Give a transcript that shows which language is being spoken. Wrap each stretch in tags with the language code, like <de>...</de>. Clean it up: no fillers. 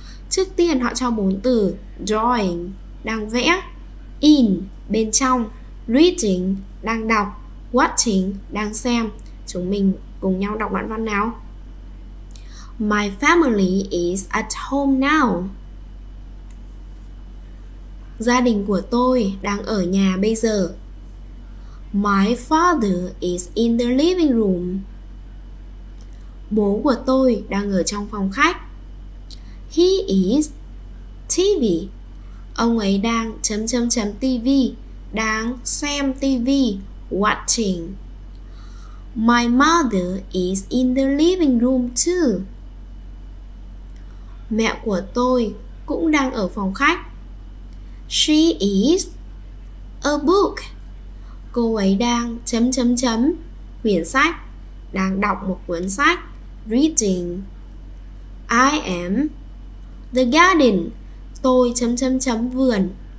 <vi>Trước tiên họ cho 4 từ: drawing, đang vẽ; in, bên trong; reading, đang đọc; watching, đang xem. Chúng mình cùng nhau đọc đoạn văn nào.</vi> <en>My family is at home now.</en> <vi>Gia đình của tôi đang ở nhà bây giờ.</vi> <en>My father is in the living room.</en> <vi>Bố của tôi đang ở trong phòng khách.</vi> <en>He is TV.</en> <vi>Ông ấy đang ...TV, đang xem TV, watching.</vi> <en>My mother is in the living room too.</en> <vi>Mẹ của tôi cũng đang ở phòng khách.</vi> <en>She is a book.</en> <vi>Cô ấy đang quyển sách, đang đọc một cuốn sách, reading.</vi> <en>I am the garden.</en> <vi>Tôi ...vườn.</vi>